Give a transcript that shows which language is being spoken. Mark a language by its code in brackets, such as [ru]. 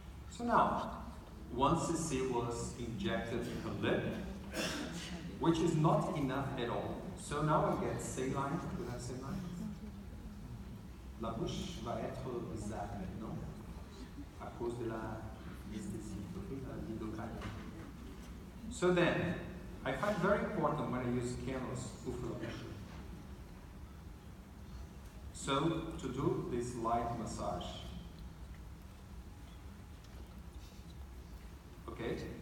[en] So now, one cc was injected in her lip, which is not enough at all. So now I get saline. Do you have saline? [fr] La bouche va être bizarre maintenant à cause de la anesthésie, la lidocaine. [en] So then, I find very important when I use cannulas, ufolation. So to do this light massage. Okay?